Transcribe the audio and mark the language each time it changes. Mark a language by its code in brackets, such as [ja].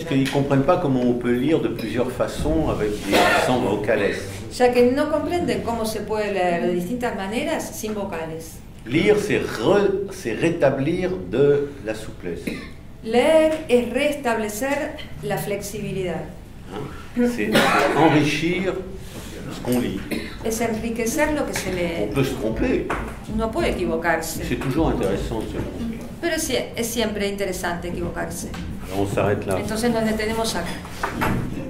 [fr] Parce qu'ils comprennent pas comment on peut lire de plusieurs façons avec des accents vocales. [es] Ya que no comprenden cómo se puede leer de distintas maneras sin vocales. [fr] Lire, c'est rétablir de la souplesse. [es] Leer es restablecer la flexibilidad. [fr] C'est enrichir ce qu'on lit. [es] Es enriquecer lo que se lee. [fr] On peut se tromper. [es] Uno puede equivocarse. [fr] C'est toujours intéressant de se tromper. [es] Pero es siempre interesante equivocarse. [fr] On s'arrête là. [es] Entonces nos detenemos acá.